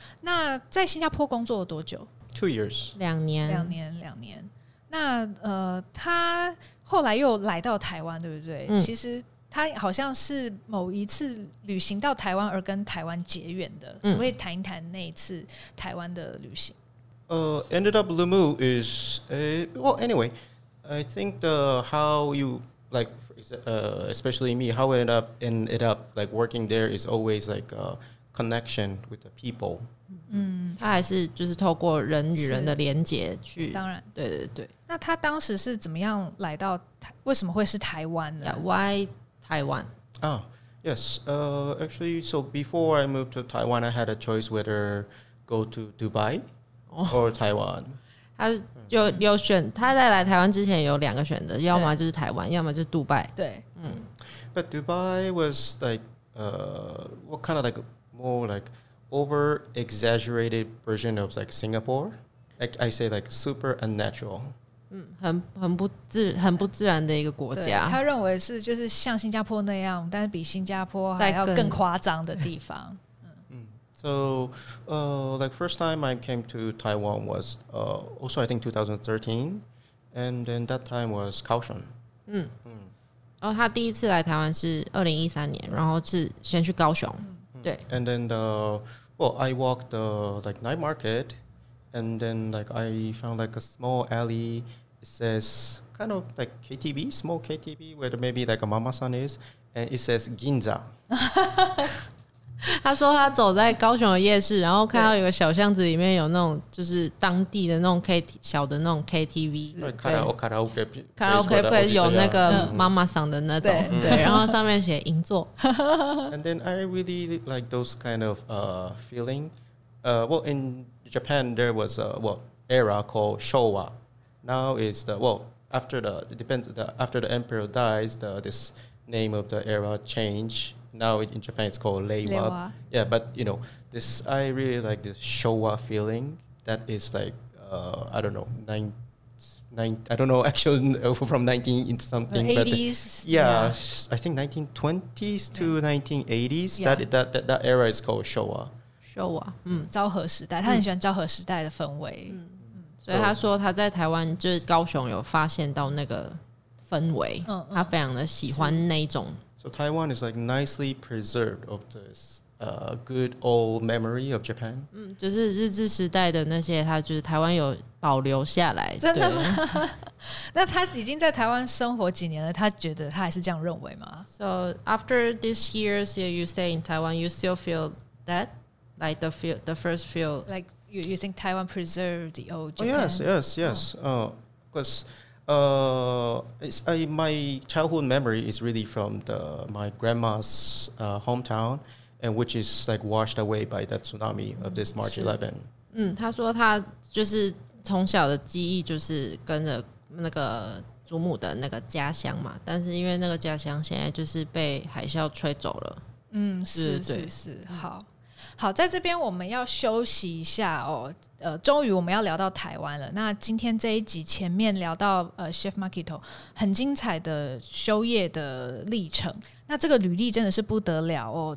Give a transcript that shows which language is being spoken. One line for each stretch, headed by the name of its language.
Chinese: 那在新加坡工作了多久?
English: 2 years.
Chinese: 两年。那他后来又来到台湾，对不对？嗯，其实他好像是某一次旅行到台湾而跟台湾结缘的。嗯，你会谈一谈那一次台湾的旅行？
English: Ended up Lumu is a, well, anyway, I think the how you like, especially me, how it ended up like working there is always like a connection with the people.
Chinese: 嗯，他还是就是透过人与人的连接去。当然，对对对。那他当时是怎么样来到台？为什么会是台湾呢
English: ？Yeah, why Taiwan? Oh, yes. Actually, so before I moved to Taiwan, I had a choice whether go to Dubai. Or Taiwan.
Chinese: 他就有选，他在来台湾之前有两个选择，要么就是台湾，要么就是杜拜。对，嗯。
English: But Dubai was like, what kind of like more like over exaggerated version of like Singapore? Like I say, like super unnatural.
Chinese: 嗯，很不自然的一个国家。他认为是就是像新加坡那样，但是比新加坡还要更夸张的地方。
English: So, like first time I came to Taiwan was also I think 2013, and then that time was Kaohsiung. 嗯
Chinese: 嗯，然后他第一次来台湾是2013年，然后是先去高雄。对。
English: And then the well, I walked the like night market, and then like I found like a small alley. It says kind of like KTV, small KTV where maybe like a mama-san is, and it says Ginza.
Chinese: 他说他走在高雄的夜市，然后看到有个小巷子里面有那种就是当地的那种 小的那种 KTV，卡拉OK 会有那个妈妈桑的那种，对，然后上面写银座。
English: And then I really like those kind of feeling. Well, in Japan there was a well era called Showa. Now is the well after the it depends the after the emperor dies the this name of the era change. Now in Japan, it's called Leiwa. Yeah, but you know, this, I really like this Showa feeling that is like, I don't know, I don't know actually from 19 in something. The 80s. But yeah, I think 1920s to 1980s, that era is called Showa. Showa.
Chinese: 嗯，昭和时代，他很喜欢昭和时代的氛围。嗯，所以他说他在台湾，就是高雄有发现到那个氛围，他非常的喜欢那种。
English: So Taiwan is like nicely preserved of this good old memory of Japan.
Chinese: 嗯，就是日治时代的那些，他就是台湾有保留下来。真的吗？那他已经在台湾生活几年了，他觉得他还是这样认为吗
English: ？So after these years, you stay in Taiwan, you still feel that like the first feel like you think Taiwan preserved the old Japan? Oh, yes. Because. It's my childhood memory is really from my grandma's hometown, and which is like washed away by that tsunami of this March 11.
Chinese: 嗯，他说他就是从小的记忆就是跟着那个祖母的那个家乡嘛，但是因为那个家乡现在就是被海啸吹走了。嗯，是，好。好，在这边我们要休息一下哦。终于我们要聊到台湾了。那今天这一集前面聊到Chef Makito 很精彩的休业的历程，那这个履历真的是不得了哦。